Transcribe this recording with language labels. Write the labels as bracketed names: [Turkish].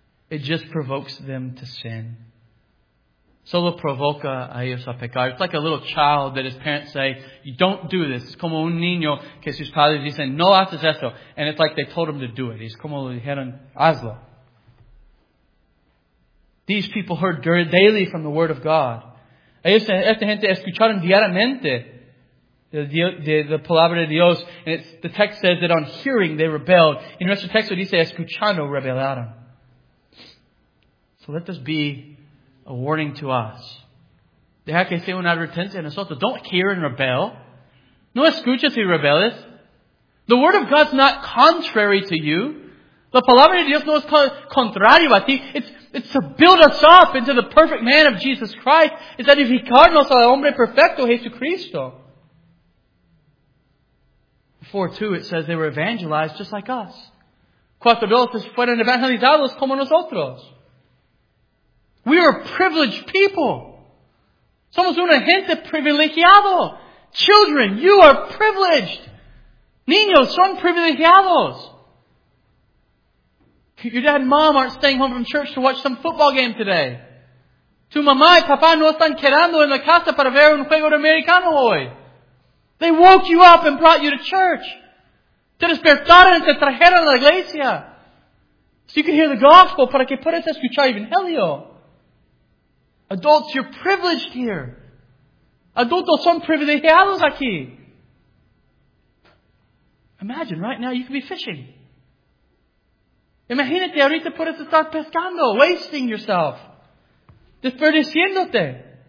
[English] It just provokes them to sin. [Spanish] Solo provoca a ellos a pecar. [English] It's like a little child that his parents say, you don't do this. It's [Spanish] como un niño que sus padres dicen, no haces esto. [English] And it's like they told him to do it. [Spanish] Es como le dijeron, hazlo. [English] These people heard daily from the word of God. [Spanish] Esta gente escucharon diariamente de la palabra de Dios. [English] And the text says that on hearing they rebelled. In [Spanish] nuestro texto dice escuchando rebelaron. [English] So let this be a warning to us. [Spanish] Deja que sea una advertencia a nosotros. [English] Don't hear and rebel. [Spanish] No escuches y rebeles. [English] The word of God's not contrary to you. [Spanish] La palabra de Dios no es contrario a ti. [English] It's to build us up into the perfect man of Jesus Christ. [Spanish] It's edificarnos al hombre perfecto, Jesucristo. [English] 4:2, it says they were evangelized just like us. 4:2, [Spanish] fueron evangelizados como nosotros. [English] We are privileged people. [Spanish] Somos una gente privilegiado. [English] Children, you are privileged. [Spanish] Niños son privilegiados. [English] Your dad and mom aren't staying home from church to watch some football game today. [Spanish] Tu mamá y papá no están quedando en la casa para ver un juego de americano hoy. [English] They woke you up and brought you to church. [Spanish] Te despertaron y te trajeron a la iglesia. [English] So you can hear the gospel [Spanish] para que puedas escuchar evangelio. [English] Adults, you're privileged here. [Spanish] Adultos son privilegiados aquí. [English] Imagine right now you could be fishing. [Spanish] Imagínate ahorita puedes estar pescando, [English] wasting yourself, [Spanish] desperdiciándote.